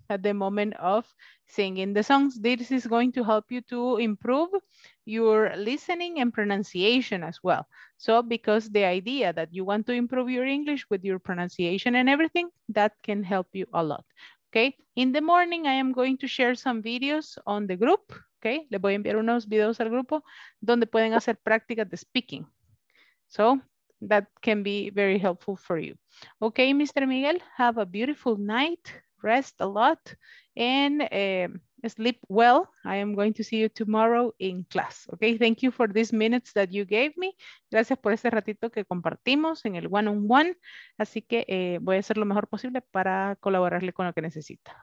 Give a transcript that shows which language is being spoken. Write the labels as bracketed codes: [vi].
[en] At the moment of singing the songs. This is going to help you to improve your listening and pronunciation as well. So because the idea that you want to improve your English with your pronunciation and everything, that can help you a lot, okay? In the morning, I am going to share some videos on the group, okay? [es] Le voy a enviar unos videos al grupo donde pueden hacer práctica de speaking. [en] So that can be very helpful for you. Okay, Mr. Miguel, have a beautiful night rest a lot and sleep well. I am going to see you tomorrow in class. Okay, thank you for these minutes that you gave me. [es] Gracias por ese ratito que compartimos en el one-on-one. Así que voy a hacer lo mejor posible para colaborarle con lo que necesita.